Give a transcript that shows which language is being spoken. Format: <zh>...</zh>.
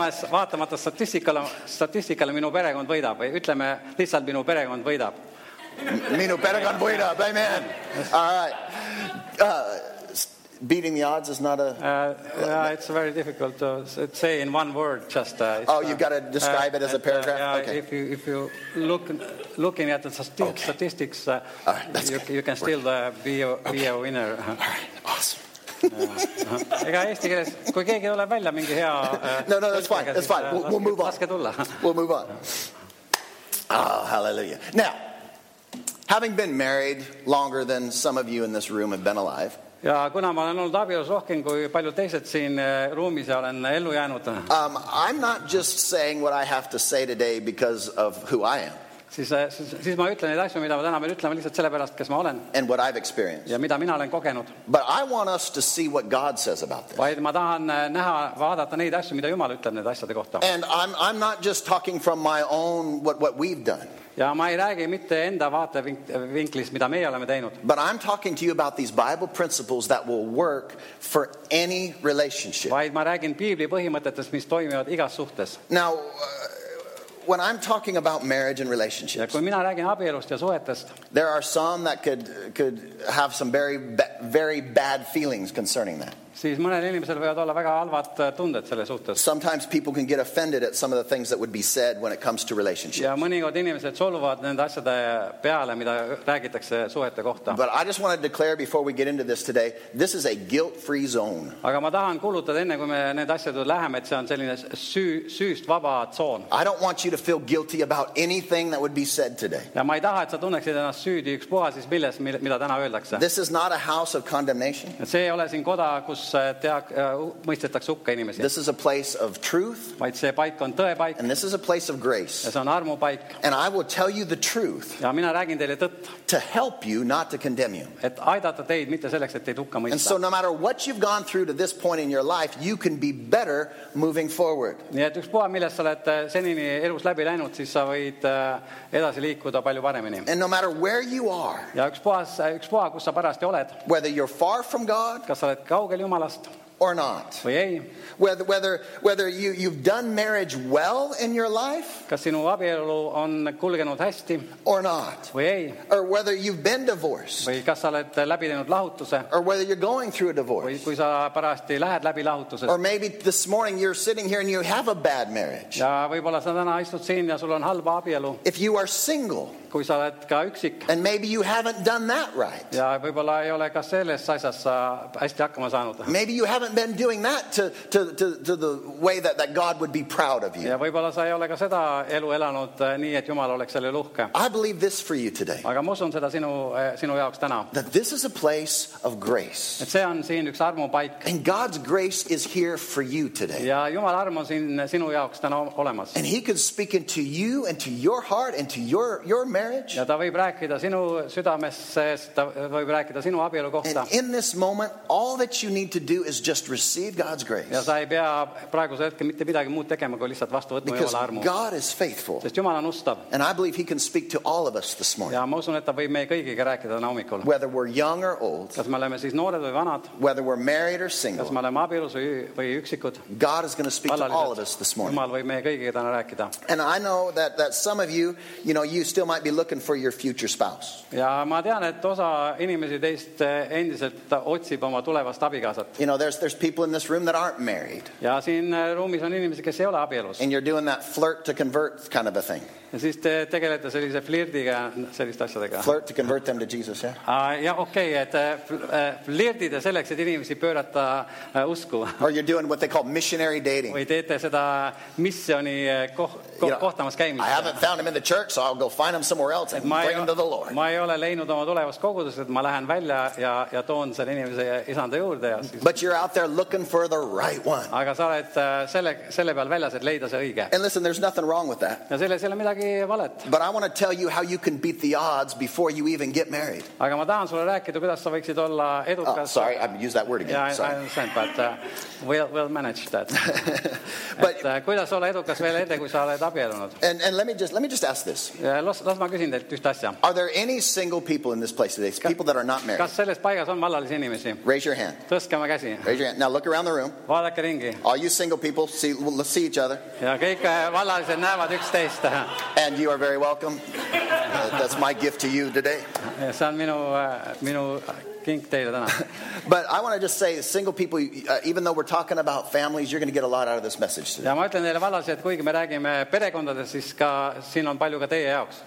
<et>Vaatamata statistikale minu perekond võidab või ütleme lihtsalt minu perekond võidab. Minu perekond võidab, amen.</et> <en>All right. Beating the odds is not a... It's very difficult to say in one word. You've got to describe it as a paragraph? Okay. If you looking at the statistics, all right, you can still be a winner. All right, awesome.</en> <et>Ega eesti keeles, kui keegi tuleb välja mingi hea...</et> <en>No, that's fine. We'll move on.</en> <et>Laske tulla.</et> <en>We'll move on. Oh, hallelujah. Now, having been married longer than some of you in this room have been alive.</en> <et>Ja kuna ma olen olnud abielus rohkem kui paljud teised siin ruumis ja olen ellu jäänud.</et> <en>I'm not just saying what I have to say today because of who I am.</en> <et>Siis ma ütlen neid asju, mida ma täna veel ütlen lihtsalt sellepärast, kes ma olen.</et> <en>And what I've experienced.</en> <et>Ja mida mina olen kogenud.</et> <en>But I want us to see what God says about this.</en> <et>Vaid ma tahan näha, vaadata neid asju, mida Jumal ütleb neid asjade kohta.</et> <en>And I'm not just talking from my own what we've done.</en> <et>Ja ma ei räägi mitte enda vaate vinklis, mida me oleme teinud.</et> <en>But I'm talking to you about these Bible principles that will work for any relationship.</en> <et>Vaid ma räägin piibli põhimõtetes, mis toimivad igas suhtes.</et> <en>Now, when I'm talking about marriage and relationships,</en> <et>ja kun minä räägin abielust ja suhetest,</et> <en>there are some that could have some very bad feelings concerning that.</en> <et>Siis mõnel inimesel võivad olla väga halvad tunded selle suhtes.</et> <en>Sometimes people can get offended at some of the things that would be said when it comes to relationships.</en> <et>Ja mõnikord inimesed solvuvad nende asjade peale, mida räägitakse suhete kohta.</et> <en>But I just want to declare before we get into this today, this is a guilt-free zone.</en> <et>Aga ma tahan kuulutada enne, kui me need asjad läheme, et see on selline süüst vaba zoon.</et> <en>I don't want you to feel guilty about anything that would be said today.</en> <et>Ja ma ei taha, et sa tunneksid ennast süüdi üks puha siis milles, mida täna öeldakse.</et> <en>This is not a house of condemnation.</en> <et>See ei ole siin koda, mõistetakse hukka inimesi.</et> <en>This is a place of truth.</en> <et>Vaid see paik on tõe paik.</et> <en>And this is a place of grace.</en> <et>Ja see on armu paik.</et> <en>And I will tell you the truth.</en> <et>Ja mina räägin teile tõtt.</et> <en>To help you, not to condemn you.</en> <et>Et aidata teid, mitte selleks, et teid hukka mõista.</et> <en>And so no matter what you've gone through to this point in your life, you can be better moving forward.</en> <et>Nii et üks puha, millest sa oled senini elus läbi läinud, siis sa võid edasi liikuda palju paremini.</et> <en>And no matter where you are.</en> <et>Ja üks puha, kus sa parasti oled.</et> <en>Whether you're far from God.</en> <et>Kas sa oled kaugel</et> <en>or not. Whether you've done marriage well in your life.</en> <et>Kas sinu abielu on kulgenud hästi.</et> <en>Or not.</en> <et>Või ei.</et> <en>Or whether you've been divorced.</en> <et>Või kas sa oled läbi teinud lahutuse.</et> <en>Or whether you're going through a divorce.</en> <et>Või kui sa parasti lähed läbi lahutuse.</et> <en>Or maybe this morning you're sitting here and you have a bad marriage.</en> <et>Ja võib-olla sa täna istud siin ja sul on halba abielu.</et> <en>If you are single.</en> <et>Kui sa oled ka üksik.</et> <en>And maybe you haven't done that right.</en> <et>Ja võib-olla ei ole ka selles asjas hästi hakkama saanud.</et> <en>Maybe you haven't been doing that to the way that God would be proud of you.</en> <et>Ja võib-olla sa ei ole ka seda elu elanud nii, et Jumal oleks selle uhke.</et> <en>I believe this for you today.</en> <et>Aga ma usun seda sinu jaoks täna.</et> <en>That this is a place of grace.</en> <et>Et see on siin üks armu paik.</et> <en>And God's grace is here for you today.</en> <et>Ja Jumal arm on siin sinu jaoks täna olemas.</et> <en>And he could speak into you and to your heart and to your marriage.</en> <et>Ja ta võib rääkida sinu südamesse, ta võib rääkida sinu abielu kohta.</et> <en>And in this moment, all that you need to do is just receive God's grace.</en> <et>Ja sa ei pea praegu hetkel mitte midagi muud tegema, kui lihtsalt vastu võtma Jumala armu.</et> <en>Because God is faithful.</en> <et>Sest Jumal on ustav.</et> <en>And I believe he can speak to all of us this morning.</en> <et>Ja ma usun, et ta võib meie kõigiga rääkida täna hommikul.</et> <en>Whether we're young or old.</en> <et>Kas me oleme siis noored või vanad.</et> <en>Whether we're married or single.</en> <et>Kas me oleme abielus või üksikud.</et> <en>God is going to speak to all of us this morning.</en> <et>Jumal võib meie kõigiga täna rääkida.</et> <en>And I know that some of you know, you still might be looking for your future spouse.</en> <et>Ja ma tean, et osa inimesi teist endiselt otsib oma tulevast abikaasat.</et> <en>You know, there's people in this room that aren't married.</en> <et>Ja siin ruumis on inimesi, kes ei ole abielus.</et> <en>And you're doing that flirt to convert kind of a thing.</en> <et>Ja siis te tegelete sellise flirtiga selliste asjadega.</et> <en>Flirt to convert them to Jesus, yeah?</en> <et>Ja okei, et flirtida selleks, et inimesi pöörata usku.</et> <en>Or you're doing what they call missionary dating.</en> <et>Või teete seda missioni kohtamas käimist.</et> <en>I haven't found him in the church, so I'll go find him somewhere else and bring him to the Lord.</en> <et>Ma ei ole leinud oma tulevas koguduses, et ma lähen välja ja toon selle inimese isanda juurde.</et> <en>But you're out there looking for the right one.</en> <et>Aga sa oled selle peal väljas, et leida see õige.</et> <en>And listen, there's nothing wrong with that.</en> <et>Ja selle ei ole midagi valet.</et> <en>But I want to tell you how you can beat the odds before you even get married.</en> <et>Aga ma tahan sulle rääkida, kuidas sa võiksid olla edukas.</et> <en>Oh, sorry, I used that word again. Yeah, sorry. I understand, but we'll manage that.</en> <et>But kuidas olla edukas veel enne, kui sa oled abielunud.</et> <en>And let me just ask this.</en> <et>Ja las ma küsin teilt ühte asja.</et> <en>Are there any single people in this place today? People that are not married.</en> <et>Kas selles paigas on vallalisi inimesi?</et> <en>Raise your hand.</en> <et>Tõske oma käsi.</et> <en>Raise your hand. Now look around the room.</en> <et>Vaadake ringi.</et> <en>Are you single people? See, let's see each other.</en> <et>Ja kõik vallalised näevad üksteist.</et> <en>And you are very welcome. That's my gift to you today.</en> <et>See on minu kink teile täna.</et> <en>But I want to just say, single people, even though we're talking about families, you're going to get a lot out of this message today.</en> <et>Ja ma ütlen teile valasi, et kuigi me räägime perekondades, siis ka siin on palju ka teie jaoks.</et>